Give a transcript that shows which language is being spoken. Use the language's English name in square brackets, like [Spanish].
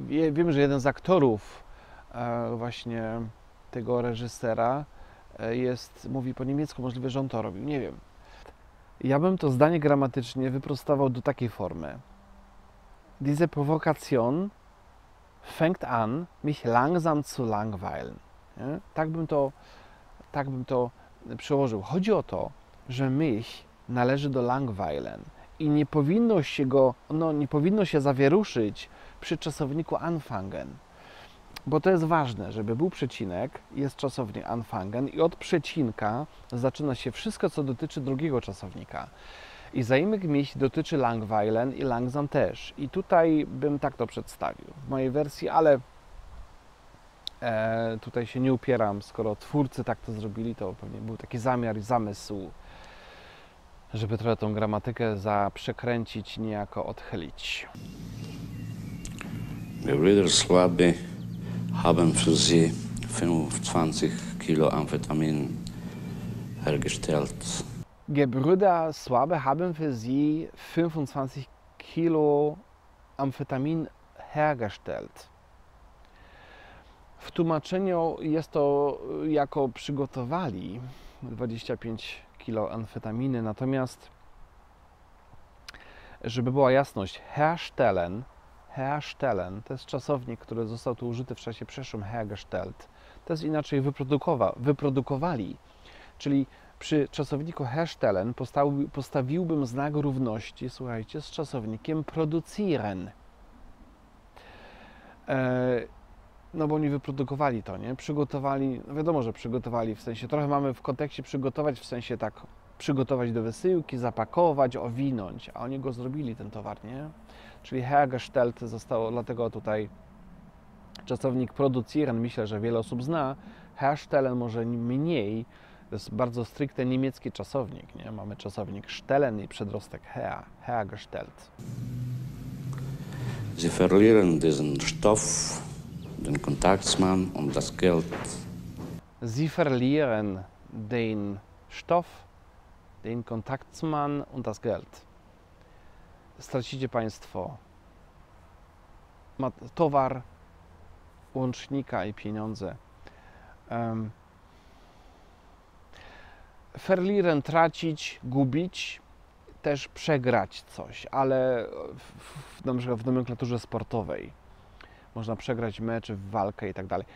[Polish] Wiem, że jeden z aktorów właśnie tego reżysera mówi po niemiecku, możliwe, że on to robił, nie wiem. Ja bym to zdanie gramatycznie wyprostował do takiej formy. [German] Diese Provokation fängt an, mich langsam zu langweilen. [Polish] Nie? Tak bym to przełożył. Chodzi o to, że mich należy do langweilen i nie powinno się go, nie powinno się zawieruszyć przy czasowniku anfangen. Bo to jest ważne, żeby był przecinek, jest czasownik anfangen i od przecinka zaczyna się wszystko, co dotyczy drugiego czasownika. I zaimek mich dotyczy langweilen i langsam też. I tutaj bym tak to przedstawił w mojej wersji, ale tutaj się nie upieram, skoro twórcy tak to zrobili, to pewnie był taki zamiar i zamysł, żeby trochę tą gramatykę zaprzekręcić, niejako odchylić. Wieder słaby. [German] Haben für Sie 25 Kilo Amphetamin hergestellt. Gebrüder Swabe haben für Sie 25 Kilo Amfetamin hergestellt. [Polish] W tłumaczeniu jest to jako przygotowali 25 kilo amfetaminy, natomiast żeby była jasność, herstellen, to jest czasownik, który został tu użyty w czasie przeszłym, hergestellt, to jest inaczej wyprodukowali, czyli przy czasowniku herstellen postawiłbym znak równości, słuchajcie, z czasownikiem producieren. No bo oni wyprodukowali to, nie? Przygotowali, wiadomo, że przygotowali, w sensie trochę mamy w kontekście przygotować, w sensie tak przygotować do wysyłki, zapakować, owinąć, a oni go zrobili, ten towar, nie? Czyli hergestellt zostało, dlatego tutaj czasownik producieren, myślę, że wiele osób zna, herstellen może mniej, to jest bardzo stricte niemiecki czasownik, nie? Mamy czasownik stellen i przedrostek hergestellt. [German] Sie verlieren diesen Stoff, den Kontaktsmann und das Geld. Sie verlieren den Stoff, den Kontaktsmann und das Geld. [Polish] Stracicie Państwo towar, łącznika i pieniądze. Verlieren, tracić, gubić, też przegrać coś, ale na przykład w nomenklaturze sportowej można przegrać mecz, walkę i tak dalej.